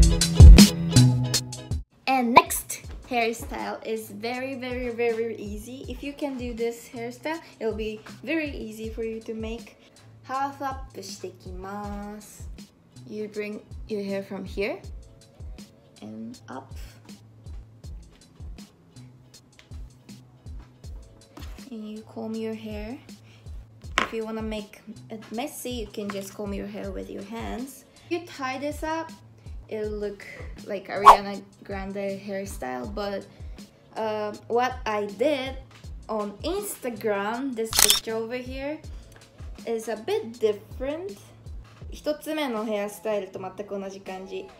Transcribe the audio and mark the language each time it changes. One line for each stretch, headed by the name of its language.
Japanese: この髪型はなんかジムに行くのにもおすすめだし、カジュアルに着たい人でもいいし、あとエレガントに服を着こなしたい時もすごく似合うの。だからすごくおすすめ。
English: And next hairstyle is very, very, very easy. If you can do this hairstyle, it'll be very easy for you to make. Half up
Japanese: していきます.
English: You bring your hair from here and up. And you comb your hair. If you wanna make it messy, you can just comb your hair with your hands. If you tie this up, it'll look like Ariana Grande hairstyle. But what I did on Instagram, this picture over here, is a bit different.
Japanese: 1つ目のヘアスタイルと全く同じ感じ.